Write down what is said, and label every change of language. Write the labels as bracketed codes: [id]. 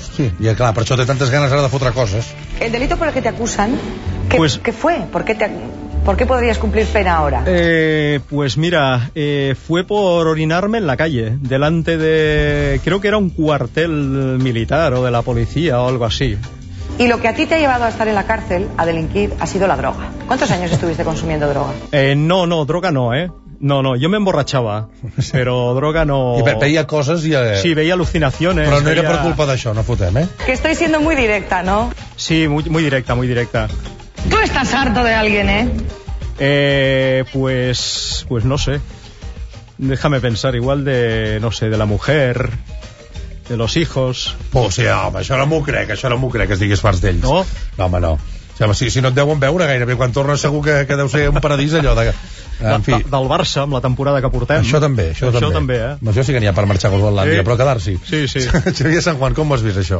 [ca] Sí, ja, clar, per això té tantes ganes ara de fotre coses. [es] El delito por el que te acusan, ¿qué fue? ¿Por qué podrías cumplir pena ahora? Pues mira, fue por orinarme en la calle, delante de, creo que era un cuartel militar o de la policía o algo así. Y lo que a ti te ha llevado a estar en la cárcel, a delinquir, ha sido la droga. ¿Cuántos años estuviste consumiendo droga? No, droga no, No, yo me emborrachaba, pero droga no... Y veía cosas y... Sí, veía alucinaciones. Pero no era por culpa de eso, [ca] no fotem, [es] ¿eh? Que estoy siendo muy directa, ¿no? Sí, muy directa. Tú estás harto de alguien, ¿eh? Pues no sé. Déjame pensar, igual de, no sé, de la mujer... De los hijos. [ca] Pues sí, home, això no m'ho crec, que estiguis farts d'ells. No? No, home, no. Sí, home, si no et deuen veure gairebé, quan tornes segur que deu ser un paradís allò de... En fi. Del Barça, amb la temporada que portem. Això també. Això sí que n'hi ha per marxar a Groenlàndia, sí, però quedar-s'hi. Sí. Xavier Sant Juan, com ho has vist, això?